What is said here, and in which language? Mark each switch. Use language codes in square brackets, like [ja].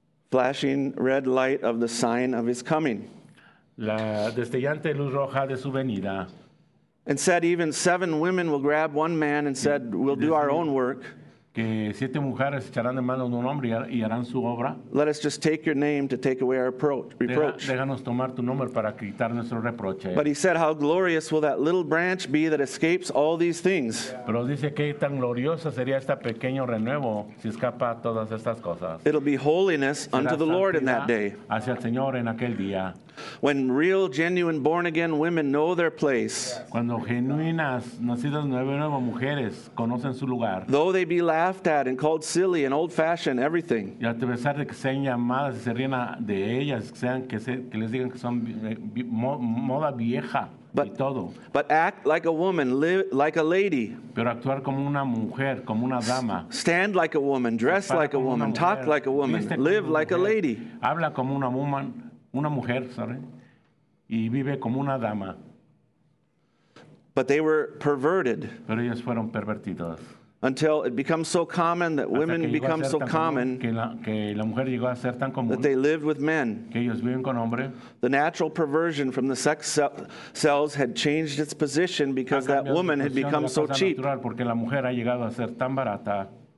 [en] Flashing red light of the sign of his coming. [es] La destellante luz roja de su venida. [en] And said even seven women will grab one man and said we'll do our own work. [es] Que siete mujeres echarán de mano a un hombre y harán su obra. [en] Let us just take your name to take away our reproach. [es] Déjanos tomar tu nombre para quitar nuestro reproche. [en] But he said how glorious will that little branch be that escapes all these things. [es] Pero dice qué tan gloriosa sería este pequeño renuevo si escapa todas estas cosas. [en] It'll be holiness unto the Lord in that day. [es] Hacia el Señor en aquel día. [en] When real, genuine, born-again women know their place, [es] cuando genuinas, nacidas nuevas mujeres conocen su lugar, [en] though they be laughed at and called silly and old-fashioned, everything, [es] y a pesar de que sean llamadas y se ríen de ellas, que les digan que son moda vieja, [en] But act like a woman, live like a lady. [es] Pero actuar como una mujer, como una dama. [en] Stand like a woman, dress like a woman, talk like a woman, live like a lady. [es] Habla como una mujer. Una mujer, ¿sabes? Y vive como una dama. [en] But they were perverted. [es] Pero ellos fueron pervertidos. [en] Until it becomes so common that women become so common [es] que la mujer llegó a ser tan común [en] that they lived with men. [es] Que ellos viven con hombres. [en] The natural perversion from the sex cells had changed its position because that woman had become so cheap. [es] Porque la mujer ha llegado a ser tan barata.